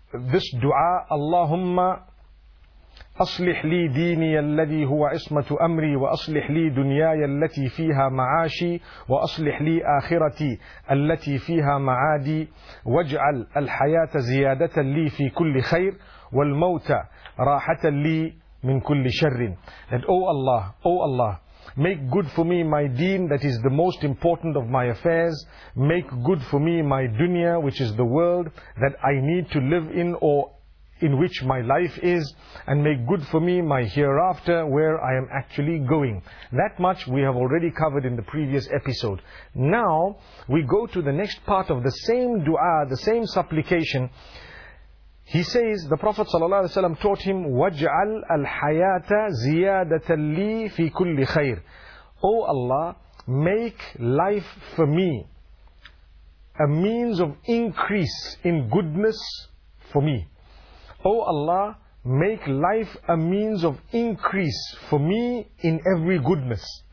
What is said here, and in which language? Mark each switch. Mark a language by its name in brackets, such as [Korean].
[English] this dua, [Arabic] Allahumma أصلح لي ديني الذي هو عصمة أمري وأصلح لي دنياي التي فيها معاشي وأصلح لي آخرتي التي فيها معادي واجعل الحياة زيادة لي في كل خير والموت راحة لي من كل شر. [English] And O Allah, O Allah, make good for me my deen, that is the most important of my affairs. Make good for me my dunya, which is the world that I need to live in or in which my life is, and make good for me my hereafter, where I am actually going. That much we have already covered in the previous episode. Now, we go to the next part of the same dua, the same supplication. He says, the Prophet ﷺ taught him, [Arabic] وَاجْعَلْ الْحَيَاةَ زِيَادَةً لِي فِي كُلِّ خَيْرٍ. [English] O Allah, make life for me a means of increase in goodness for me. O Allah, make life a means of increase for me in every goodness.